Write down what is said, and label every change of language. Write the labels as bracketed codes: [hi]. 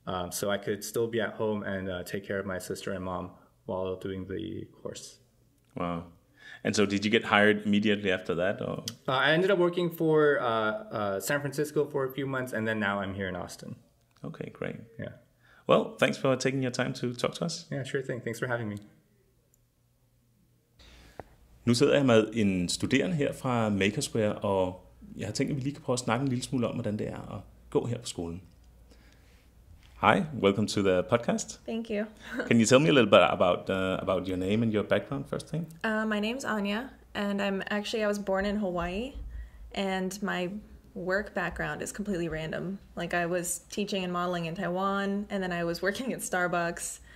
[en] So I could still be at home and take care of my sister and mom while doing the course. Wow. And so did you get hired immediately after that? Or? I ended up working for San Francisco for a few months, and then now I'm here in Austin. Okay, great. Yeah. Well, thanks for taking your time to talk to us. Yeah, sure thing. Thanks for having me. [da] Nu sidder jeg med en studerende her fra Makersquare, og jeg har tænkt, at vi lige kan prøve at snakke en lille smule om, hvordan det er at gå her på skolen. [en] Hi, welcome to the podcast. Thank you. Can you tell me a little bit about your name and your background first thing? My name's Anya, and I was born in Hawaii, and my work background is completely random. Like, I was teaching and modeling in Taiwan, and then I was working at Starbucks.